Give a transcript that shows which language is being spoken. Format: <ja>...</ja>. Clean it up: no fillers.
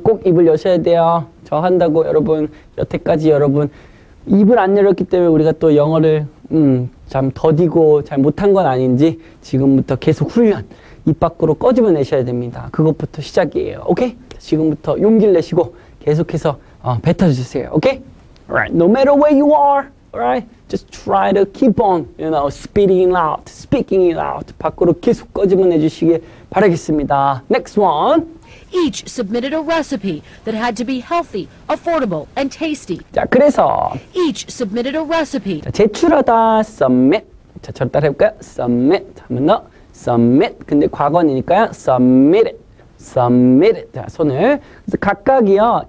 <ko>꼭 입을 여셔야 돼요. 저 한다고 여러분 여태까지 여러분 입을 안 열었기 때문에 우리가 또 영어를 참 더디고 잘 못한 건 아닌지 지금부터 계속 훈련 입 밖으로 꺼집어내셔야 됩니다. 그것부터 시작이에요. 오케이? 지금부터 용기를 내시고 계속해서 뱉어주세요.</ko> <en>오케이? Alright, no matter where you are. Alright, just try to keep on, you know, speaking it out.</en> <ko>밖으로 계속 꺼집어내주시길 바라겠습니다.</ko> <en>Next one. Each submitted a recipe that had to be healthy, affordable, and tasty.</en> <ko>자, 그래서.</ko> <en>Each submitted a recipe.</en> <ko>자, 제출하다, submit. 자, 저를 따라해볼까요? Submit. 한번 더. Submit. 근데 과거니까요. Submit it. 자, 손을. 그래서 각각이요.</ko>